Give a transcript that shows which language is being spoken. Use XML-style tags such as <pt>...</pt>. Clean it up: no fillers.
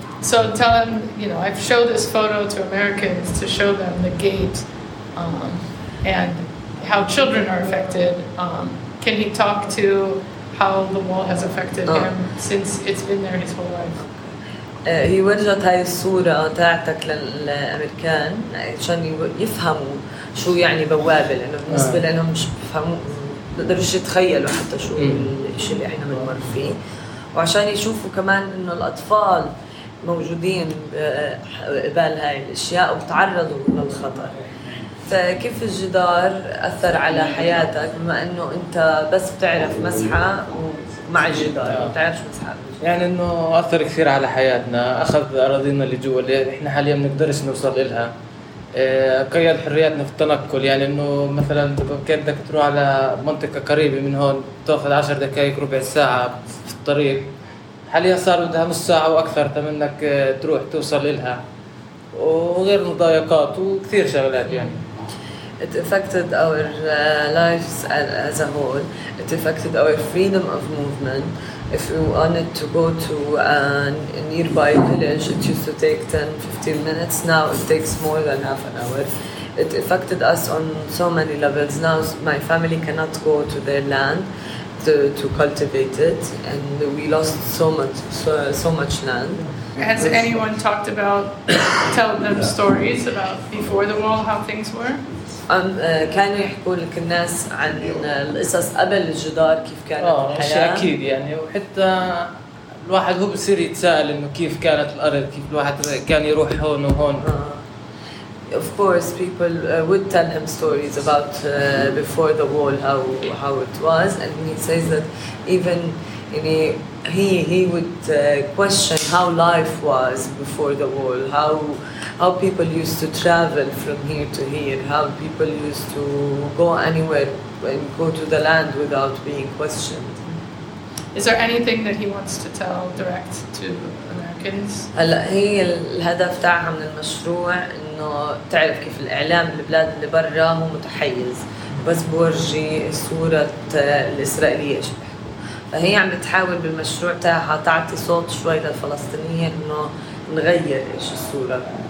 <en>So tell him, you know, I've showed this photo to Americans to show them the gate and how children are affected. Can he talk to how the wall has affected him since it's been there his whole life?</en> <ar>هي ورجت هاي الصورة تاعتك للأمريكان عشان يفهموا شو يعني بوابة، لأنه بالنسبة لهم مش بفهموا، بقدرش يتخيلوا حتى شو الشيء اللي احنا بنمر فيه، وعشان يشوفوا كمان إنه الأطفال موجودين قبال هاي الأشياء وبتعرضوا للخطر. فكيف الجدار أثر على حياتك بما إنه أنت بس بتعرف مسحة ومع الجدار ما بتعرفش مسحة؟ يعني إنه أثر كثير على حياتنا، أخذ أراضينا اللي جوا اللي إحنا حاليا منقدرش نوصل إلها، قيد حرياتنا في التنقل. يعني إنه مثلا بدك تروح على منطقة قريبة من هون تأخذ 10 دقائق ربع ساعة في الطريق، حاليا صار بدها نص ساعة وأكثر تمنك تروح توصل إلها، وغير مضايقات وكثير شغلات. يعني</ar> <en>It affected our lives as a whole. It affected our freedom of movement. If we wanted to go to a nearby village, it used to take 10-15 minutes. Now it takes more than half an hour. It affected us on so many levels. Now my family cannot go to their land to cultivate it, and we lost so much land. Has anyone talked about tell them stories about before the wall, how things were?</en> <ar>كانوا يحكوا لك الناس عن القصص قبل الجدار كيف كانت الحياة؟ شيء أكيد يعني، وحتى الواحد هو بصير يتساءل إنه كيف كانت الأرض، كيف الواحد كان يروح هون وهون.</ar> <en>Of course people would tell him stories about before the wall how it was, and he says that even</en> <ar>يعني</ar> <en>he would question how life was before the wall, how people used to travel from here to here, how people used to go anywhere and go to the land without being questioned. Is there anything that he wants to tell direct to Americans?</en> <ar>هي الهدف تاعها من المشروع انه تعرف كيف الاعلام بالبلاد اللي برا هو متحيز، بس بورجي صورة الاسرائيلية ايش بيحكوا. فهي عم بتحاول بالمشروع تاعها تعطي صوت شوي للفلسطينيين انه نغير ايش الصورة.</ar>